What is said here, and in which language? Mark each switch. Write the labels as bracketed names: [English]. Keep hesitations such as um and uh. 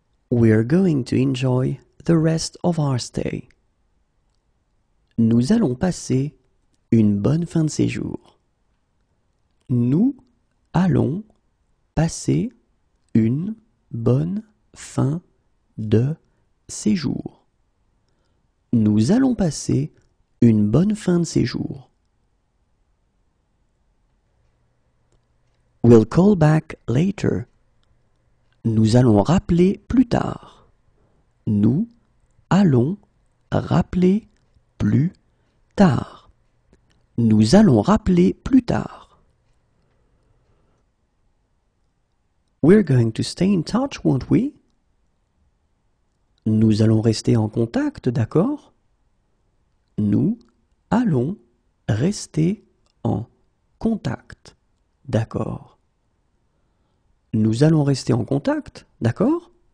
[English] We are going to enjoy the rest of our stay. [French] Nous allons passer une bonne fin de séjour. Nous allons passer une bonne fin fin de séjour. Nous allons passer une bonne fin de séjour. [English] We'll call back later. [French] Nous allons rappeler plus tard. Nous allons rappeler plus tard. Nous allons rappeler plus tard. Nous rappeler plus tard. [English] We're going to stay in touch, won't we? [French] Nous allons rester en contact, d'accord Nous allons rester en contact, d'accord Nous allons rester en contact, d'accord